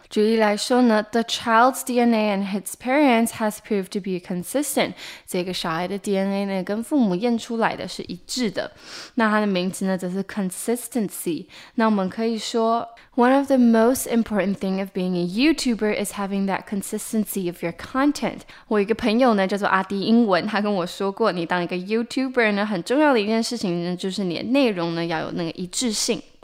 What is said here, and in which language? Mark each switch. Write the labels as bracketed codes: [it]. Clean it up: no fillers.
[zh] 举例来说呢， [en] The child's DNA and his parents has proved to be consistent。 [zh] 这个小孩的 DNA 呢跟父母验出来的是一致的。那他的名字呢则是 consistency。那我们可以说 [en] One of the most important thing of being a YouTuber is having that consistency of your content。 [zh] 我一个朋友呢叫做阿迪英文，他跟我说过，你当一个 YouTuber 呢很重要的一件事情呢就是你的内容呢要有那个一致性。